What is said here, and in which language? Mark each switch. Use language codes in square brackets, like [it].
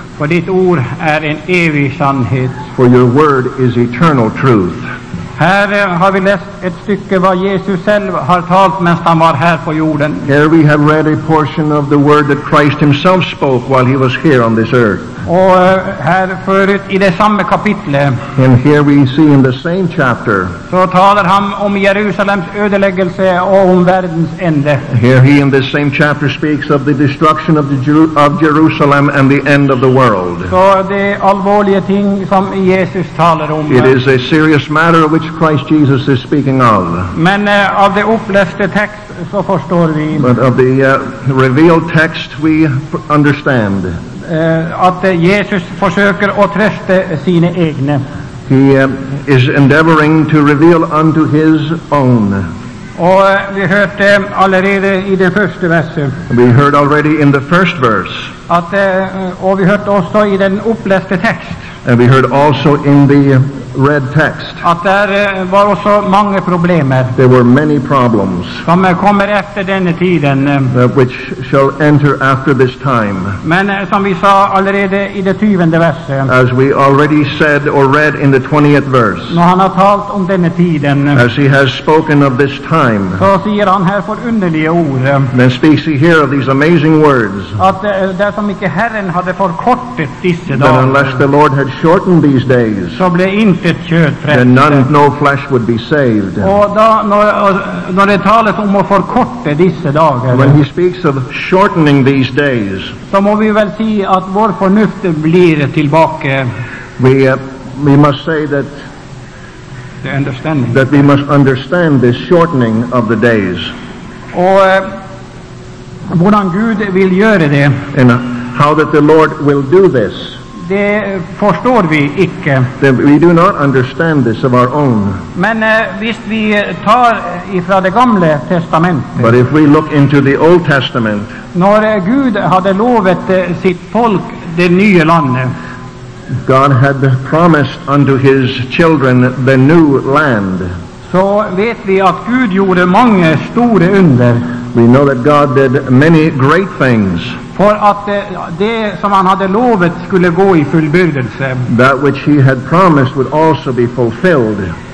[sv] För ditt ord är en evig sannhet. [en] For your word is eternal truth. [sv] Här har vi läst ett stycke vad Jesus själv har talat medan han var här på jorden. [en] Here we have read a portion of the word that Christ himself spoke while he was here on this earth. [sv] Och här förut i det samma kapitlet. [en] And here we see in the same chapter. [sv] Så talar han om Jerusalems ödeläggelse och om världens ände. [en] Here he in this same chapter speaks of the destruction of the of Jerusalem and the end of the world. [sv] Så det allvarliga ting som Jesus talar om. [en] It is a serious matter of which Christ Jesus is speaking of. [sv] Men av det upplästa text så förstår vi. [en] But of the revealed text we understand. [sv] Att Jesus försöker att trösta sina egna. [en] He is endeavoring to reveal unto his own. [sv] Och vi hörde allerede i det första verset. [en] We heard already in the first verse. [sv] Att och vi hörde också i den upplästa text. [en] And we heard also in the red text. [sv] Att där var också många problem. [en] There were many problems. [sv] Som kommer efter denna tiden. [en] Which shall enter after this time. [sv] Men som vi sa allerede i det 20:e verset. [en] As we already said or read in the 20th verse. [sv] När han har talat om denna tiden. [en] As he has spoken of this time. [sv] Så säger han här för underliga ord. [en] Then speaks he here of these amazing words. [sv] Att där som icke Herren hade förkortat dessa dagar. [en] That unless the Lord had shortened these days. [sv] Så blev inte mycket kött. [en] Then no flesh would be saved. [sv] Och då när det talas om att förkorta dessa dagar. [en] When he speaks of shortening these days. [sv] Så må vi väl se att vår förnuft blir tillbaka. [en] We must say that. The understanding. That we must understand this shortening of the days. [no] Och hvordan Gud vil gjøre det. [en] And how that the Lord will do this. [no] Det forstår vi ikke. [en] We do not understand this of our own. [no] Men hvis vi tar ifra det gamle testamentet. [en] But if we look into the Old Testament. [no] Når Gud hadde lovet sitt folk det nye landet. [en] God had promised unto his children the new land. [no] Så vet vi at Gud gjorde mange store under. [en] We know that God did many great things. [sv] För att det som han hade lovat skulle gå i fullbördelse. [en] That which he had promised would also be fulfilled.